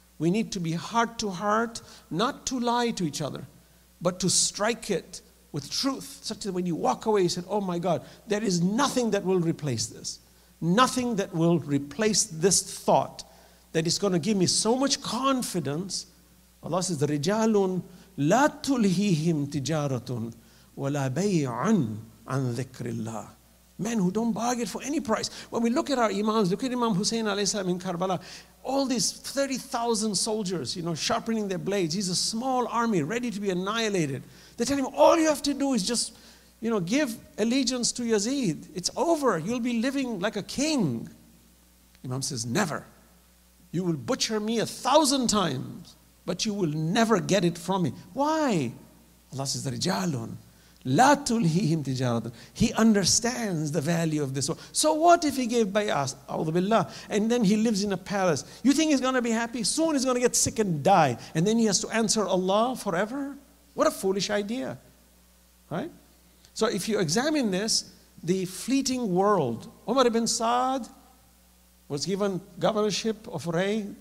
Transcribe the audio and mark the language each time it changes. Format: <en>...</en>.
<en>We need to be heart to heart, not to lie to each other, but to strike it with truth, such that when you walk away, you said, oh my God, there is nothing that will replace this. Nothing that will replace this thought that is going to give me so much confidence. Allah says,</en> <ar>رِجَالٌ لَا تُلْهِيهِمْ تِجَارَةٌ وَلَا بَيْعًا عَنْ ذِكْرِ اللَّهِ.</ar> <en>Men who don't bargain for any price. When we look at our imams, look at Imam Hussein alayhi salam in Karbala, all these 30,000 soldiers, you know, sharpening their blades. He's a small army ready to be annihilated. They tell him, all you have to do is just, you know, give allegiance to Yazid. It's over. You'll be living like a king. Imam says, never. You will butcher me 1,000 times, but you will never get it from me. Why? Allah says,</en> <ar>رِجَالٌ لَا تُلْهِيهِمْ تِجَارَةٌ.</ar> <en>He understands the value of this. So what if he gave bay'ah, a'udhu billah, and then he lives in a palace? You think he's going to be happy? Soon he's going to get sick and die. And then he has to answer Allah forever? What a foolish idea. Right? So if you examine this, the fleeting world, Umar ibn Sa'd was given governorship of Ray.</en>